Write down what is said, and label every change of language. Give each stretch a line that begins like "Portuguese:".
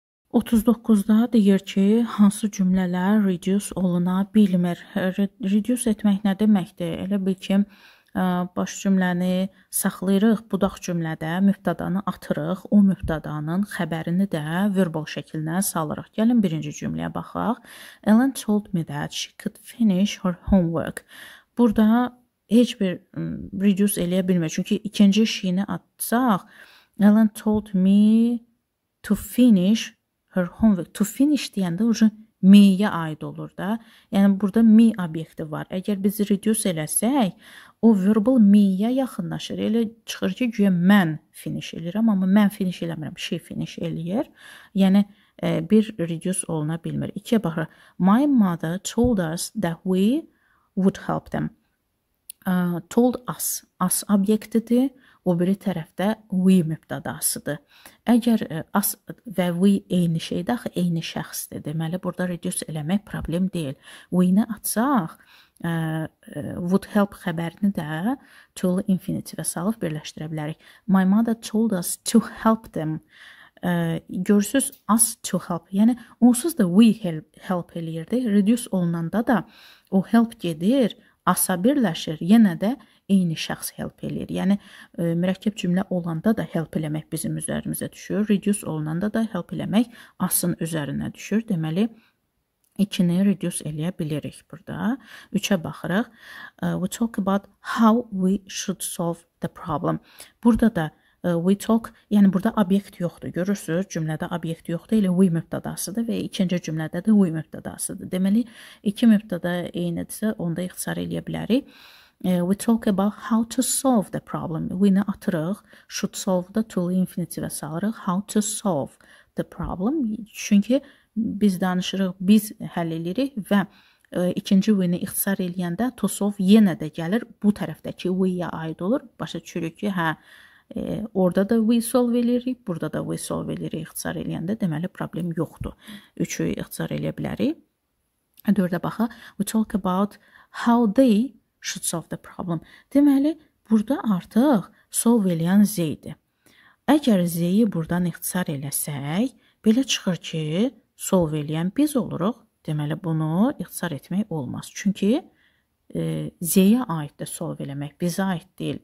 Azerbaijani: 39-da deyir ki, hansı cümlələr reduce oluna bilmir. Reduce etmək nə deməkdir? Elə bil ki, baş cümləni saxlayırıq budaq cümlədə, mübtadanı atırıq, o mübtadanın xəbərini də verbal şəkildə salırıq. Gəlin birinci cümləyə baxaq.
English: Ellen told me that she could finish her homework.
Azerbaijani: Burada heç bir reduce eləyə bilmək. Çünki ikinci şeyini atsaq,
English: Ellen told me to finish her homework.
Azerbaijani: To finish deyəndə ucu me-yə aid olur da. Yəni, burada me obyekti var. Əgər biz reduce eləsək, o verbal me-yə yaxınlaşır. Elə çıxır ki, güya mən finish eləyirəm, amma mən finish eləmirəm, she finish eləyir. Yəni, bir reduce oluna bilmir. İkiyə baxıraq.
English: My mother told us that we would help them. Told us.
Azerbaijani: Us obyektidir. O biri tərəfdə we mübtədasıdır. Əgər us və we eyni şeydə, axı eyni şəxsdir. Deməli, burada reduce eləmək problem deyil. We-ni atsaq, would help xəbərini də to infinitive salıb birləşdirə bilərik.
English: My mother told us to help them.
Azerbaijani: Görürsünüz,
English: us to help.
Azerbaijani: Yəni, onsuz da we help eləyirdi. Reduce olunanda da o help gedir, us-a birləşir, yenə də eyni şəxs help eləyir. Yəni, mürəkkəb cümlə olanda da help eləmək bizim üzərimizə düşür. Reduce olunanda da help eləmək us-ın üzərinə düşür. Deməli, ikini reduce eləyə bilirik burada. Üçə baxırıq.
English: We talk about how we should solve the problem.
Azerbaijani: Burada da we talk, yəni burada obyekt yoxdur. Görürsünüz, cümlədə obyekt yoxdur. Elə we mübtədasıdır və ikinci cümlədə də we mübtədasıdır. Deməli, iki mübtəda eynidirsə, onda ixtisar eləyə bilərik.
English: We talk about how to solve the problem.
Azerbaijani: We-ni atırıq, should solve da to infinitive-ə salırıq.
English: How to solve the problem.
Azerbaijani: Çünki biz danışırıq, biz həll edirik və ikinci we-ni ixtisar eləyəndə to solve yenə də gəlir bu tərəfdəki we-yə aid olur. Başa düşürük ki, hə, orada da we solve eləyirik, burada da we solve eləyirik ixtisar eləyəndə. Deməli, problem yoxdur. Üçü ixtisar eləyə bilərik. Dördə baxa.
English: We talk about how they should solve the problem.
Azerbaijani: Deməli, burada artıq solve eləyən Z-dir. Əgər Z-yi buradan ixtisar eləsək, belə çıxır ki, solve eləyən biz oluruq. Deməli, bunu ixtisar etmək olmaz. Çünki Z-yə aiddir solve eləmək, bizə aid deyil.